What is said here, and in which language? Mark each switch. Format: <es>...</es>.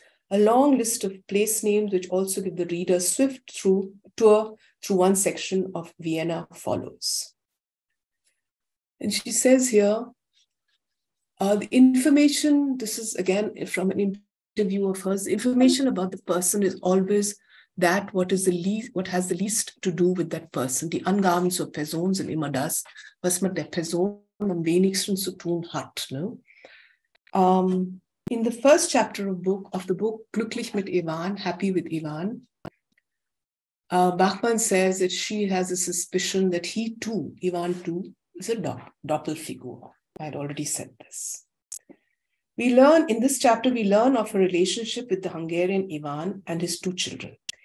<en>A long list of place names which also give the reader swift tour through one section of Vienna follows. And she says here, the information, this is again from an interview of hers, information about the person is always that what has the least to do with that person.</en> <de>Die Angaben zur Person sind immer das, was mit der Person am wenigsten zu tun hat.</de> <en>No? In the first chapter of the book,</en> <de>Glücklich mit Ivan,</de> <en>Happy with Ivan, Bachmann says that she has a suspicion that he too, Ivan too, is a Doppelfigur. I had already said this. In this chapter, we learn of her relationship with the Hungarian Ivan and his two children.</en>